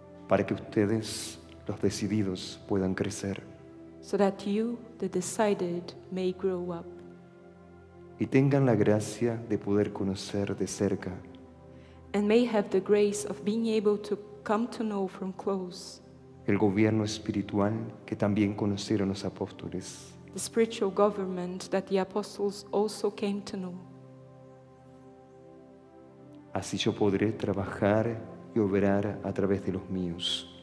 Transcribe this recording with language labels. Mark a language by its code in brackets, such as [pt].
[es] Para que ustedes, los decididos, puedan crecer. [en] So that you, the decided, may grow up. [es] Y tengan la gracia de poder conocer de cerca. [en] And may have the grace of being able to come to know from close. [es] El gobierno espiritual que también conocieron los apóstoles. [en] The spiritual government that the apostles also came to know. [es] Así yo podré trabajar y obrar a través de los míos.